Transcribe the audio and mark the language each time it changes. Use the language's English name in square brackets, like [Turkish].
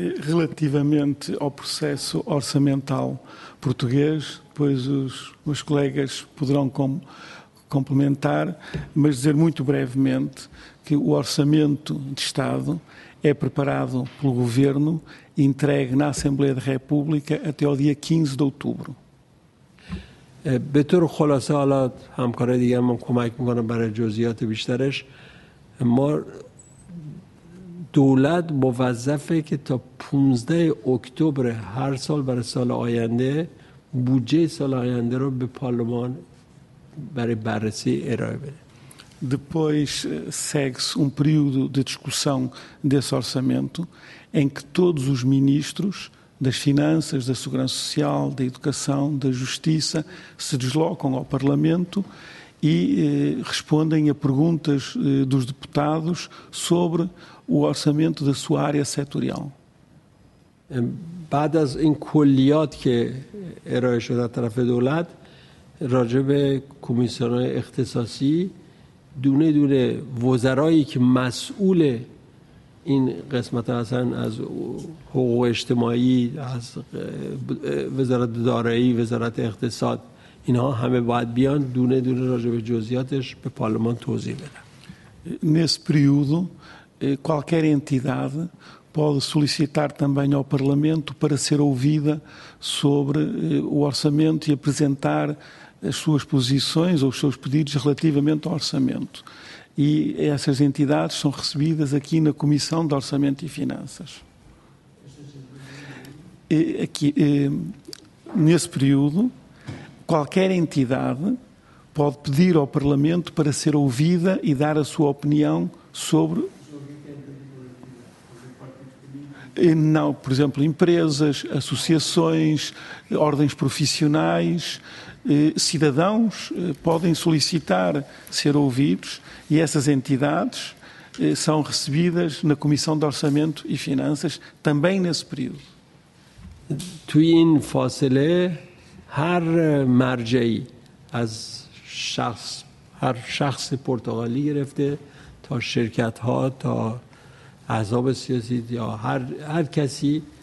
[Portuguese] Relativamente ao processo orçamental português, pois os meus colegas poderão complementar, mas dizer muito brevemente que o Orçamento de Estado é preparado pelo Governo e entregue na Assembleia da República até ao dia 15 de outubro. [Persian] به طور خلاصه حالا همکارای دیگه هم کمک میکنم برای جزئیات بیشترش. ما دولت موظفه که تا 15 اکتبر هر سال برای سال آینده بودجه سال آینده رو به پارلمان para bararse e [Portuguese] depois segue-se um período de discussão desse orçamento em que todos os ministros das Finanças, da Segurança Social, da Educação, da Justiça se deslocam ao Parlamento e respondem a perguntas dos deputados sobre o orçamento da sua área setorial. [Persian] بعد از این کلیات که ارائه شد از طرف دولت راجع به کمیسیون‌های اختصاصی دونه دونه وزرایی که مسئول این قسمت هستن از حقوق اجتماعی، از وزارت دارایی، وزارت اقتصاد، اینها همه باید بیان دونه دونه راجع به جزئیاتش به پارلمان توضیح بدن. [Portuguese] Nesse período, qualquer entidade pode solicitar também ao Parlamento para ser ouvida sobre o orçamento e apresentar as suas posições ou os seus pedidos relativamente ao orçamento. E essas entidades são recebidas aqui na Comissão de Orçamento e Finanças. E aqui, nesse período, qualquer entidade pode pedir ao Parlamento para ser ouvida e dar a sua opinião sobre... Não, por exemplo, empresas, associações, ordens profissionais... Cidadãos podem solicitar ser ouvidos e essas entidades são recebidas na Comissão de Orçamento e Finanças também nesse período. [Persian] توی این فاصله هر مرجعی از شخص هر شخص پرتغالی گرفته تا شرکت ها تا احزاب سیاسی یا هر کسی